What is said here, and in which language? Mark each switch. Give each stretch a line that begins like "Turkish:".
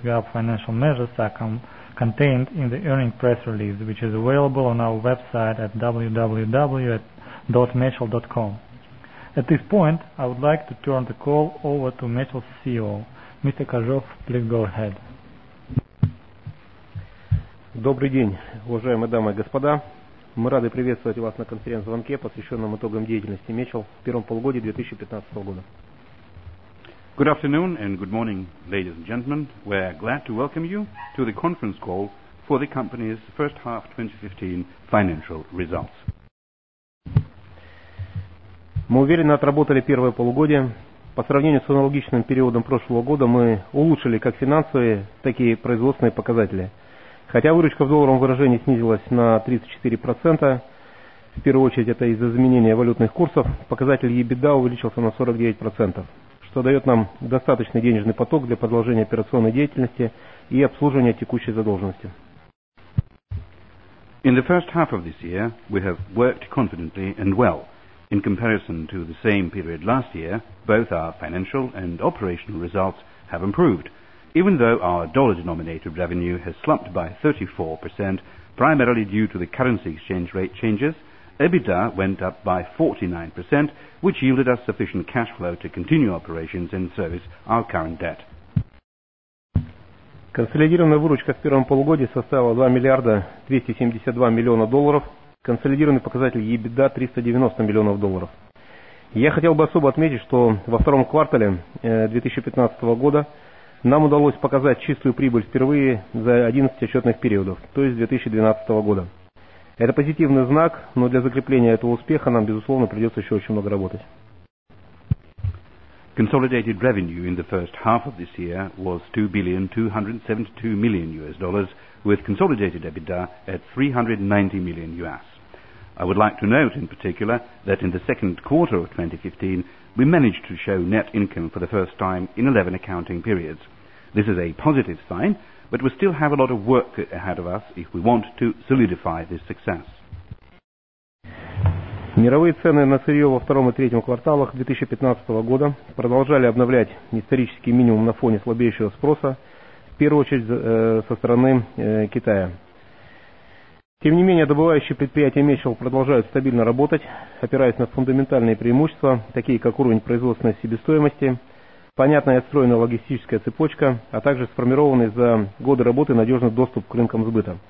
English: GAAP financial measures are contained in the earnings press release, which is available on our website at www.metro.com. At this point, I would like to turn the call over to Metro's CEO. Mr. Kordsov, please go ahead.
Russian: Добрый день, уважаемые дамы и господа. Мы рады приветствовать вас на конференц-звонке, посвященном итогам деятельности Metro в первом полугодии 2015 года.
English: Good afternoon and good morning, ladies and gentlemen. We're glad to welcome you to the conference call for the company's first half 2015 financial results.
Russian: Мы уверенно отработали первое полугодие. По сравнению с аналогичным периодом прошлого года, мы улучшили как финансовые, так и производственные показатели. Хотя выручка в долларовом выражении снизилась на 34%, в первую очередь это из-за изменения валютных курсов, показатель EBITDA увеличился на 49%, что дает нам достаточный денежный поток для продолжения операционной деятельности и обслуживания текущей задолженности.
English: In the first half of this year, we have worked confidently and well. In comparison to the same period last year, both our financial and operational results have improved, even though our dollar-denominated revenue has slumped by 34%, primarily due to the currency exchange rate changes. EBITDA went up by 49%, which yielded us sufficient cash flow to continue operations and service our current debt.
Russian: Консолидированная выручка в первом полугодии составила $2,272,000,000. Консолидированный показатель EBITDA $390,000,000. Я хотел бы особо отметить, что во втором квартале 2015 года нам удалось показать чистую прибыль впервые за 11 отчетных периодов, то есть 2012 года. Это позитивный знак, но для закрепления этого успеха нам, безусловно, придется еще очень много работать.
English: Consolidated revenue in the first half of this year was $2,272,000,000, with consolidated EBITDA at $390,000,000. I would like to note in particular that in the second quarter of 2015, we managed to show net income for the first time in 11 accounting periods. This is a positive sign, but we still have a lot of work ahead of us if we want to solidify this success.
Russian: Мировые цены на сырье во втором и третьем кварталах 2015 года продолжали обновлять исторический минимум на фоне слабеющего спроса, в первую очередь со стороны Китая. Тем не менее, добывающие предприятия Metro продолжают стабильно работать, опираясь на фундаментальные преимущества, такие как уровень производственной себестоимости, понятная и отстроенная логистическая цепочка, а также сформированный за годы работы надежный доступ к рынкам сбыта.